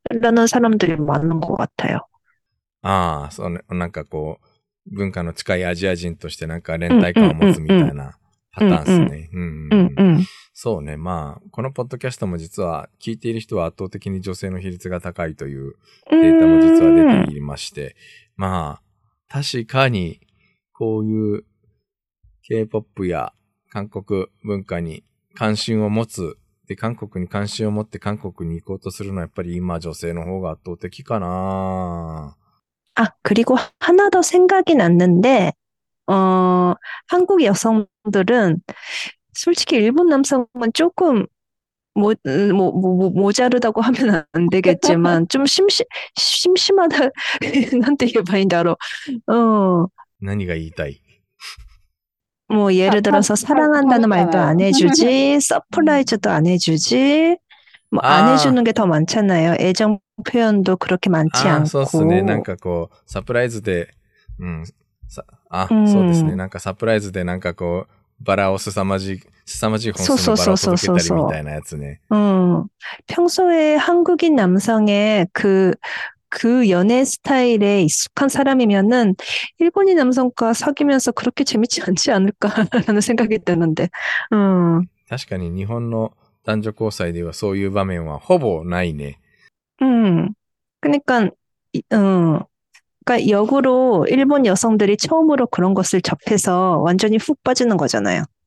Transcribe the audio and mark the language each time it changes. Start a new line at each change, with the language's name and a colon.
Korean: 라는 사람들이 많은 것 같아요.
Japanese: ああ、そうね、なんかこう。文化の近いアジア人としてなんか連帯感を持つみたいなパターンっすね。そうね。まあ、このポッドキャストも実は聞いている人は圧倒的に女性の比率が高いというデータも実は出ていまして。まあ、確かに、こういう K-POP や韓国文化に関心を持つ、で、韓国に関心を持って韓国に行こうとするのはやっぱり今女性の方が圧倒的かなぁ。
Korean: 아, 그리고 하나 더 생각이 났는데, 한국 여성들은, 솔직히 일본 남성은 조금, 모자르다고 하면 안 되겠지만, 좀 심심하다, 한테 이게 바인다로.
Japanese: 何が言いたい？
Korean: 뭐, 예를 들어서 사랑한다는 말도 다르잖아요. 안 해주지, 서프라이즈도 안 해주지, 뭐, 안 해주는 게더 많잖아요. 애정 표현도 그렇게 많지
Japanese: そうっすね。なん
Korean: 않고,
Japanese: かこう、サプライズで、そうですね。なんかサプライズでなんかこう、バラを凄まじい本数のバラを届けたりみたいなやつね。
Korean: 평소에 한국인 남성의 그 연애 스타일에 익숙한 사람이면은 일본인 남성과 사귀면서 그렇게 재밌지 않지 않을까라는 생각이 드는데.
Japanese: 確かに日本の男女交際ではそういう場面はほぼないね。
Korean: 그러니까 그러니까 역으로 일본 여성들이 처음으로 그런 것을 접해서 완전히 훅 빠지는 거잖아요.